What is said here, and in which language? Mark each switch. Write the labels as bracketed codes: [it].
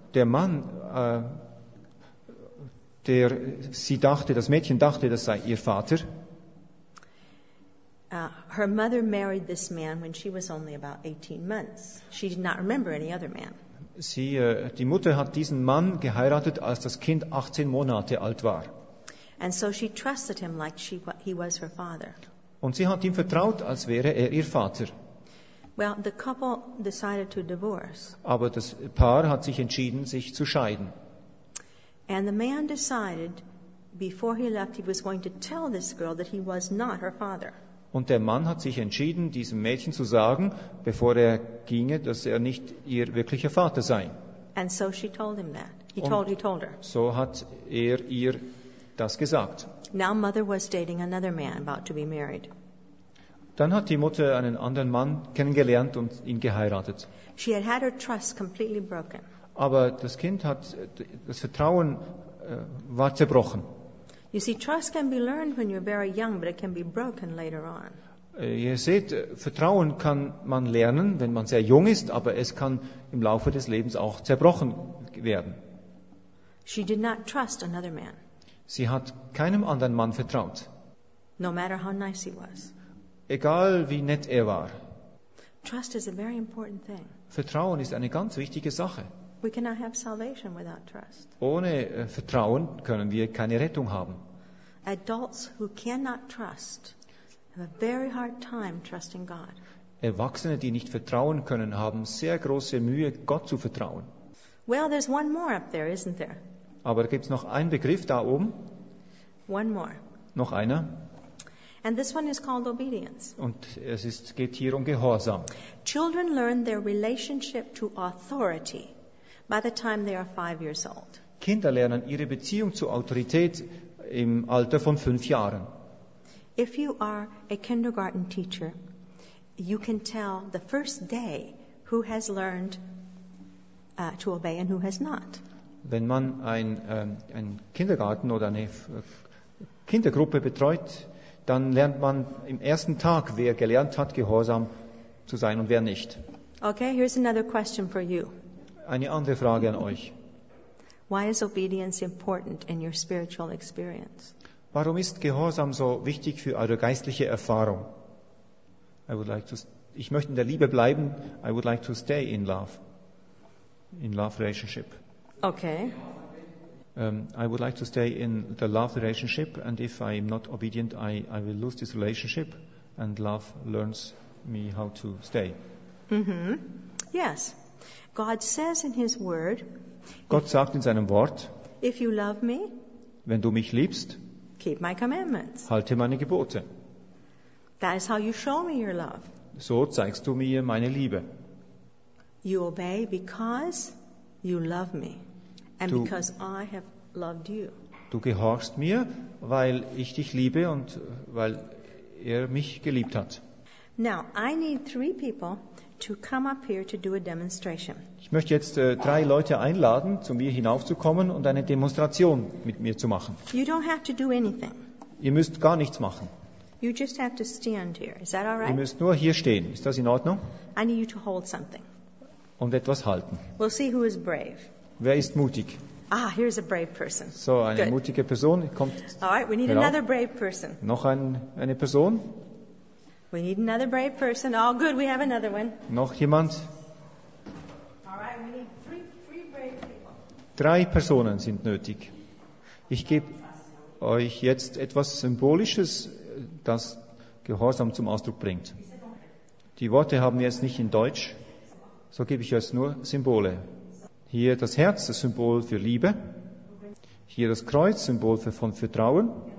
[de] Der Mann, der sie dachte, das Mädchen dachte, das sei ihr Vater. [en] Her mother married this man when she was only about 18 months. She did not remember any other man. [de] Die Mutter hat diesen Mann geheiratet, als das Kind 18 Monate alt war. [en] And so she trusted him like he was her father. [de] Und sie hat ihm vertraut, als wäre ihr Vater. [en] Well, the couple decided to divorce. [de] Aber das Paar hat sich entschieden, sich zu scheiden. [en] And the man decided, before he left, he was going to tell this girl that he was not her father. [de] Und der Mann hat sich entschieden, diesem Mädchen zu sagen, bevor ginge, dass nicht ihr wirklicher Vater sei. [en] And so she told him that. He told her. [de] So hat ihr das gesagt. [en] Now mother was dating another man, about to be married. [de] Dann hat die Mutter einen anderen Mann kennengelernt und ihn geheiratet. [en] She had had her trust completely broken. [de] Aber das Kind hat, das Vertrauen war zerbrochen. [en] You see, trust can be learned when you're very young, but it can be broken later on. [de] Ihr seht, Vertrauen kann man lernen, wenn man sehr jung ist, aber es kann im Laufe des Lebens auch zerbrochen werden. [en] She did not trust another man. [de] Sie hat keinem anderen Mann vertraut. [en] No matter how nice he was. [de] Egal wie nett er war. [en] Trust is a very important thing. [de] Vertrauen ist eine ganz wichtige Sache. [en] We cannot have salvation without trust. [de] Ohne Vertrauen können wir keine Rettung haben. [en] Adults who cannot trust have a very hard time trusting God. [de] Erwachsene, die nicht vertrauen können, haben sehr große Mühe, Gott zu vertrauen. [en] Well, there's one more up there, isn't there? [de] Aber gibt es noch einen Begriff da oben? [en] One more. [de] Noch einer. [en] And this one is called obedience. [de] Und es ist, geht hier um Gehorsam. [en] Children learn their relationship to authority by the time they are 5 years old. [de] Kinder lernen ihre Beziehung zur Autorität im Alter von 5 Jahren. [en] If you are a kindergarten teacher, you can tell the first day who has learned to obey and who has not. [de] Wenn man ein Kindergarten oder eine Kindergruppe betreut, dann lernt man im ersten Tag, wer gelernt hat, gehorsam zu sein und wer nicht. [en] Okay, here's another question for you. [de] Eine andere Frage an euch. [en] Why is obedience important in your spiritual experience? [de] Warum ist Gehorsam so wichtig für eure geistliche Erfahrung? Ich möchte in der Liebe bleiben. [en] I would like to stay in love. In love relationship. Okay. I would like to stay in the love relationship, and if I am not obedient, I will lose this relationship, and love learns me how to stay. Mm-hmm. Yes. God says in his word, [de] Gott sagt in seinem Wort, [en] if you love me, [de] wenn du mich liebst, [en] keep my commandments. [de] Halte meine Gebote. [en] That is how you show me your love. [de] So zeigst du mir meine Liebe. [en] You obey because you love me. And because I have loved you. [de] Du gehorchst mir, weil ich dich liebe und weil er mich geliebt hat. [en] Now, I need 3 people to come up here to do a demonstration. [de] Ich möchte jetzt 3 Leute einladen, zu mir hinaufzukommen und eine Demonstration mit mir zu machen. [en] You don't have to do anything. [de] Ihr müsst gar nichts machen. [en] You just have to stand here. Is that all right? [de] Ihr müsst nur hier stehen. Ist das in Ordnung? [en] I need you to hold something. [de] Und etwas halten. [en] We'll see who is brave. [de] Wer ist mutig? [en] Ah, here's a brave person. [de] So, eine Good. Mutige Person kommt. [en] All right, we need [de] herauf. [en] Another brave person. [de] Noch eine Person. [en] We need another brave person. All good, we have another one. [de] Noch jemand? [en] All right, we need three brave people. [de] 3 Personen sind nötig. Ich gebe euch jetzt etwas Symbolisches, das Gehorsam zum Ausdruck bringt. Die Worte haben wir jetzt nicht in Deutsch, so gebe ich jetzt nur Symbole. Hier das Herz, das Symbol für Liebe. Hier das Kreuz, Symbol von Vertrauen.